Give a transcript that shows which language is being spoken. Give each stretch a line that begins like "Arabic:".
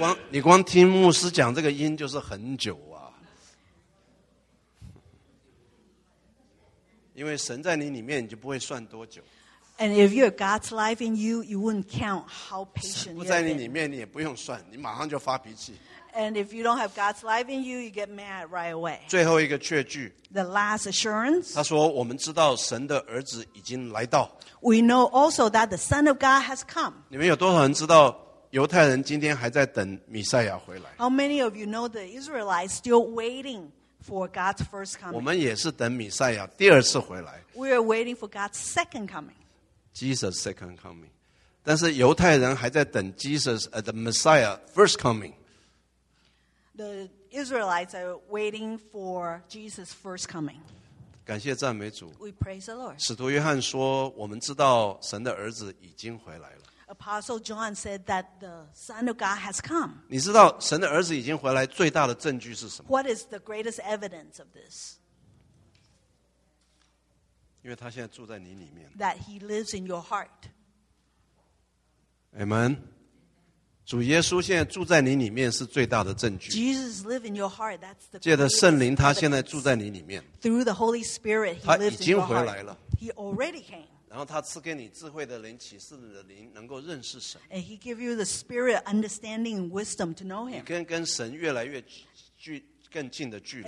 Chinese: 你光听牧师讲这个音就是很久啊。因为神在你里面你就不会算多久。
English: And if you're God's life in you, you wouldn't count how patient you are.
Chinese: 不在你里面你也不用算，你马上就发脾气。
English: And if you don't have God's life in you, you get mad right away.
Chinese: 最后一个确据。
English: The last assurance.
Chinese: 他说我们知道神的儿子已经来到。
English: We know also that the Son of God has come.
Chinese: 你们有多少人知道犹太人今天还在等弥赛亚回来？
English: How many of you know the Israelites still waiting for God's first coming?
Chinese: 我们也是等弥赛亚第二次回来。
English: We are waiting for God's second coming. Jesus' second coming.
Chinese: 但是犹太人还在等
English: Jesus, the Messiah, first coming. The Israelites are waiting for Jesus' first coming.
Chinese: 感谢赞美主。
English: We praise the Lord.
Chinese: 使徒约翰说，我们知道神的儿子已经回来了。
English: Apostle John said that the Son of God has come.
Chinese: 你知道神的儿子已经回来最大的证据是什么？
English: What is the greatest evidence of this?
Chinese: 因为他现在住在你里面。
English: That he lives in your heart. Amen.
Chinese: 主耶稣现在住在你里面是最大的证据。
English: Jesus live in your heart, that's the.
Chinese: 借着圣灵，他现在住在你里面。
English: Through the Holy Spirit, he lives in your heart.
Chinese: 他已经回来了。
English: He already came.
Chinese: 然后他赐给你智慧的灵、启示的灵，能够认识神。
English: And he give you the spirit, understanding, and wisdom to know him.
Chinese: 你跟神越来越更近的距离。